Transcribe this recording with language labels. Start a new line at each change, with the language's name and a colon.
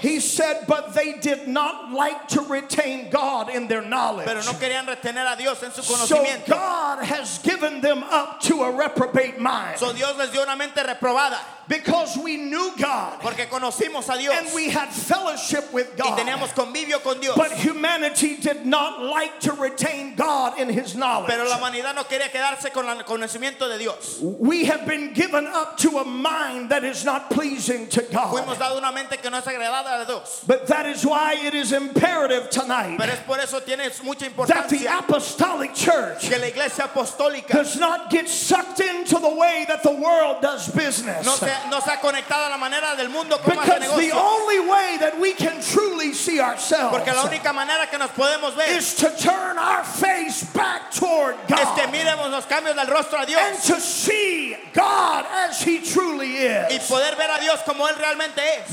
English: He said, but they did not like to retain God in their knowledge.
Spanish: Pero no querían retener a Dios en su conocimiento.
English: So God has given them up to a reprobate mind.
Spanish: So Dios les dio una mente reprobada.
English: Because we knew God.
Spanish: Porque conocimos a Dios.
English: And we had fellowship with God.
Spanish: Y teníamos convivio con Dios.
English: But humanity did not like to retain God in his knowledge.
Spanish: Pero la humanidad no quería quedarse con el conocimiento de Dios.
English: We have been given up to a mind that is not pleasing to God.
Spanish: Fuimos dado una mente que no es agradada a Dios.
English: But that is why it is imperative tonight.
Spanish: Pero es por eso tienes mucha importancia.
English: That the apostolic church.
Spanish: Que la iglesia apostólica.
English: Does not get sucked into the way that the world does business.
Spanish: No se ha conectado a la manera del mundo como
English: Because
Spanish: hace negocio.
English: The only way that we can truly see ourselves.
Spanish: Porque la única manera que nos podemos ver.
English: Is to turn our face back toward God.
Spanish: Es que miremos los cambios del rostro a Dios.
English: And to see God as he truly is.
Spanish: Y poder ver a Dios como él realmente es.